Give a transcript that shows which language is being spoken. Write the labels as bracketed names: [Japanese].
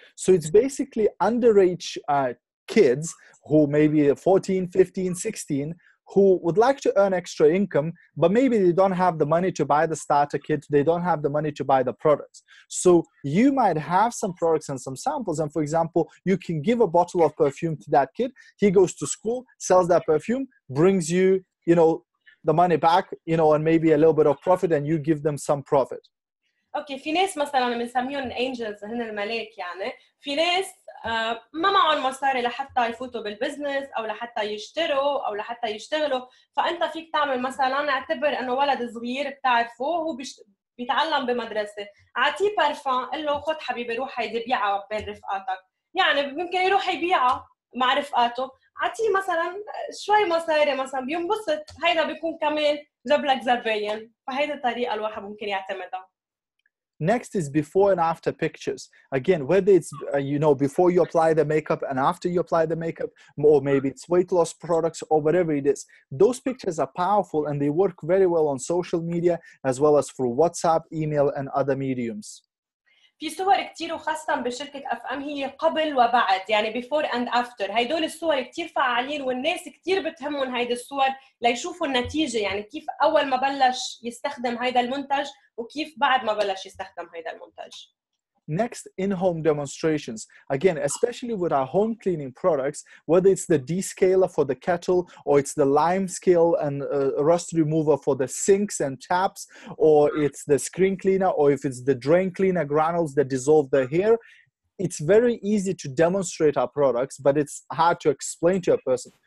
[English] So it's basically underage kids who maybe 14, 15, 16, who would like to earn extra income, but maybe they don't have the money to buy the starter kit, they don't have the money to buy the products. So you might have some products and some samples, and for example, you can give a bottle of perfume to that kid, he goes to school, sells that perfume, brings you, you know, the money back, you know, and maybe a little bit of profit, and you give them some profit. [Arabic] Okay, في ناس مثلاً بنسميهم angels هن الملائكة يعني. في ناس ما معهم مصاري لحتى يفوتوا بالبزنس أو لحتى يشتروا أو لحتى يشتغلوا. فأنت فيك تعمل مثلاً اعتبر إنه ولد صغير بتعرفه هو بيتعلم بمدرسة. أعطيه بارفان قل له خد حبيبي روح هيدي بيعه بين رفقاتك. يعني ممكن يروح يبيعه مع رفقاته. عطيه مثلا شوي مصاري مثلا بينبسط، هيدا بيكون كمان جاب لك زباين، فهيدا الطريقة الواحد ممكن يعتمدها. [English] Next is before and after pictures. Again, whether it's, you know, before you apply the makeup and after you apply the makeup, or maybe it's weight loss products or whatever it is, those pictures are powerful and they work very well on social media as well as through WhatsApp, email, and other mediums. [Arabic] في صور كتير وخاصة بشركة FM هي قبل وبعد يعني [English] before and after. [Arabic] هيدول الصور كتير فعالين والناس كتير بتهمون هيدا الصور ليشوفوا النتيجة يعني كيف أول ما بلش يستخدم هيدا المنتج وكيف بعد ما بلش يستخدم هيدا المنتج. [English] Next, in-home demonstrations. Again, especially with our home cleaning products, whether it's the descaler for the kettle, or it's the lime scale and rust remover for the sinks and taps, or it's the screen cleaner, or if it's the drain cleaner granules that dissolve the hair, it's very easy to demonstrate our products, but it's hard to explain to a person.